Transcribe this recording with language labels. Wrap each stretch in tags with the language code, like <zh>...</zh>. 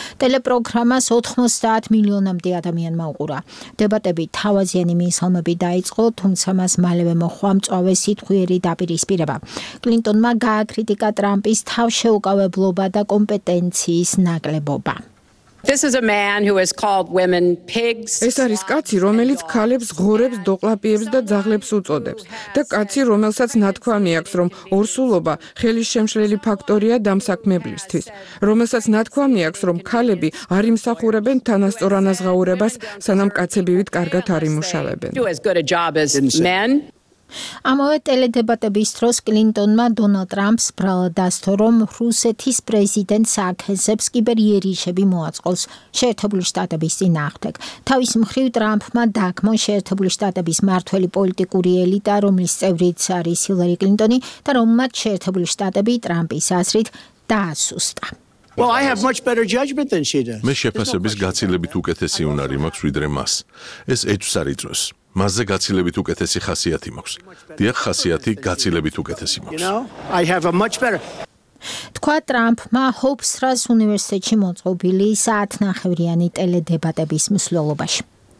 <ka>ტელეპროგრამას 90 მილიონამდე ადამიანმა უყურა. დებატები თავაზიანი მისალმები დაიწყო, თუმცა მას მალევე მოჰყვა მწვავე სიტყვიერი დაპირისპირება. კლინტონმა გააკრიტიკა ტრამპის თავშეუკავებლობა და კომპეტენციის ნაკლებობა.</ka> <en>This is a man who has called women pigs.</en> <ka>ეს არის კაცი, რომელიც ქალებს ღორებს, დოყლაპიებს და ძაღლებს უწოდებს. და კაცი, რომელსაც ნათქვამი აქვს, რომ ორსულობა ხელისშემშლელი ფაქტორია დამსაქმებლისთვის. რომელსაც ნათქვამი აქვს, რომ ქალები არ იმსახურებენ თანასწორ ანაზღაურებას, სანამ კაცებივით კარგად არ იმუშავებენ. ამავე ტელედებატების დროს კლინტონმა დონალდ ტრამპს ბრალად დასთო, რომ რუსეთის პრეზიდენტს აქეზებს კიბერიერიშები მოაწყოს შეერთებული შტატების წინააღმდეგ. თავის მხრივ ტრამპმა დაგმო შეერთებული შტატების მართველი პოლიტიკური ელიტა, რომლის წევრიც არის ჰილარი კლინტონი, და რომელმაც შეერთებული შტატები ტრამპის აზრით დაასუსტა.</ka> <en>Well, I have much better judgment than she does.</en> <ka>მე შეფასების გაცილებით უკეთესი უნარი მაქვს ვიდრე მას. ეს ეჭვს არ იწვევს. მასზე გაცილებით უკეთესი ხასიათი მაქვს. დიახ, ხასიათი გაცილებით უკეთესი მაქვს. თქვა ტრამპმა ჰოპსრას უნივერსიტეტში მოწყობილი საათნახევრიანი ტელედებატების მსვლელობაში.</ka>